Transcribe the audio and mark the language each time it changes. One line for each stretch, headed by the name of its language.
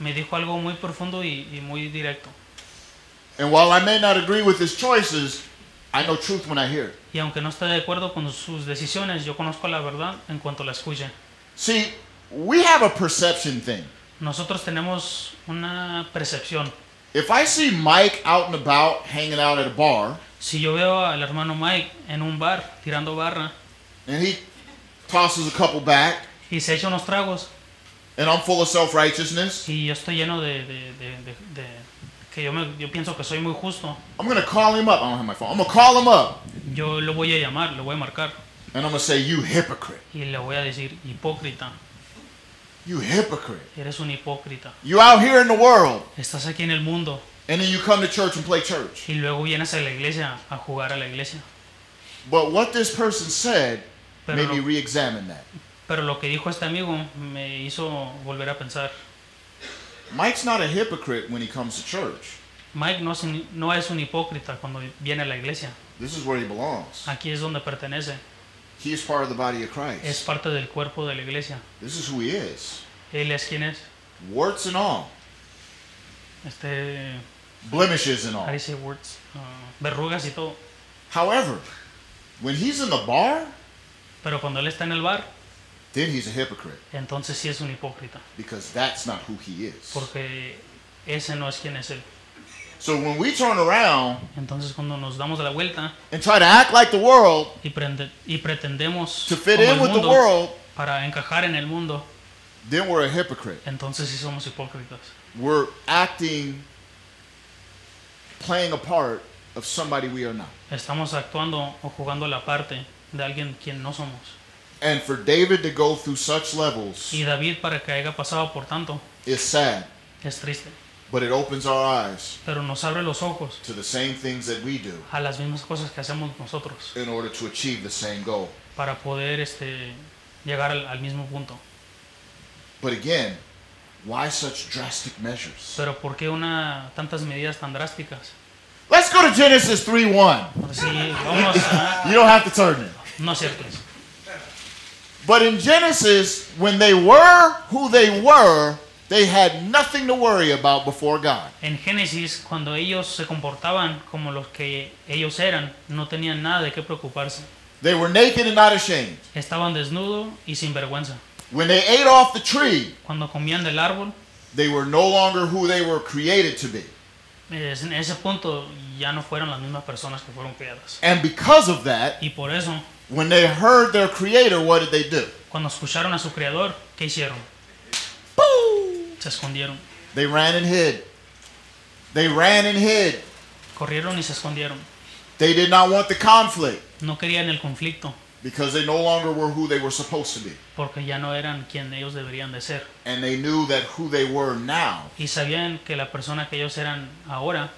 Spanish: Me dijo algo muy profundo y muy directo.
English: And while I may not agree with his choices, I know truth when I hear it.
Spanish: Y aunque no esté de acuerdo con sus decisiones, yo conozco la verdad en cuanto la escuche.
English: See, we have a perception thing.
Spanish: Nosotros tenemos una percepción.
English: If I see Mike out and about hanging out at a bar,
Spanish: si yo veo al hermano Mike en un bar tirando barra,
English: and he tosses a couple back,
Spanish: y se echa unos tragos,
English: and I'm full of self-righteousness,
Spanish: y yo estoy lleno de que yo pienso que soy muy justo,
English: I'm gonna call him up. I don't have my phone. I'm gonna call him up.
Spanish: Yo lo voy a llamar, lo voy a marcar,
English: and I'm gonna say, "You hypocrite."
Spanish: Y le voy a decir, hipócrita.
English: You hypocrite.
Spanish: Eres un hipócrita.
English: You out here in the world.
Spanish: Estás aquí en el mundo.
English: And then you come to church and play church.
Spanish: Y luego vienes a la iglesia a jugar a la iglesia.
English: But what this person said made me re-examine that.
Spanish: Pero lo que dijo este amigo me hizo volver a pensar.
English: Mike's not a hypocrite when he comes to church.
Spanish: Mike no es un hipócrita cuando viene a la iglesia.
English: This is where he belongs.
Spanish: Aquí es donde pertenece.
English: He is part of the body of Christ.
Spanish: Es parte del cuerpo de la iglesia.
English: This is who he is.
Spanish: Él es quien es.
English: Warts and all.
Spanish: Este,
English: blemishes and all. How do you say warts?
Spanish: Verrugas y todo.
English: However, when he's in the bar,
Spanish: pero cuando él está en el bar,
English: then he's a hypocrite.
Spanish: Entonces sí es un hipócrita.
English: Because that's not who he is.
Spanish: Porque ese no es quien es él.
English: So when we turn around,
Spanish: entonces cuando nos damos la vuelta,
English: and try to act like the world,
Spanish: y pretendemos
English: to fit in with the world,
Spanish: para encajar en el mundo,
English: then we're a hypocrite.
Spanish: Entonces sí somos hipócritas.
English: We're acting, playing a part of somebody we are not.
Spanish: Estamos actuando o jugando la parte de alguien quien no somos.
English: And for David to go through such levels,
Spanish: y David para que haya pasado por tanto,
English: is sad.
Spanish: Es triste.
English: But it opens our eyes,
Spanish: pero nos abre los ojos,
English: to the same things that we do,
Spanish: a las mismas cosas que hacemos nosotros,
English: in order to achieve the same goal,
Spanish: para poder este llegar al mismo punto.
English: But again, why such drastic measures?
Spanish: Pero por qué una tantas medidas tan drásticas?
English: Let's go to Genesis 3:1.
Spanish: Sí, vamos a...
English: You don't have to turn it.
Spanish: No es cierto.
English: But in Genesis, when they were who they were, they had nothing to worry about before God.
Spanish: En Génesis, cuando ellos se comportaban como los que ellos eran, no tenían nada de qué preocuparse.
English: They were naked and not ashamed.
Spanish: Estaban desnudo y sin vergüenza.
English: When they ate off the tree,
Spanish: cuando comían del árbol,
English: they were no longer who they were created to be.
Spanish: En ese punto ya no fueron las mismas personas que fueron creadas.
English: And because of that,
Spanish: y por eso,
English: when they heard their creator, what did they do?
Spanish: Cuando escucharon a su creador, ¿qué hicieron? Se escondieron.
English: They ran and hid. They ran and hid.
Spanish: Corrieron y se escondieron.
English: They did not want the conflict.
Spanish: No querían el conflicto.
English: Because they no longer were who they were supposed to be.
Spanish: Porque ya no eran quien ellos deberían de ser.
English: And they knew that who they were now,
Spanish: y sabían que la persona que ellos eran ahora,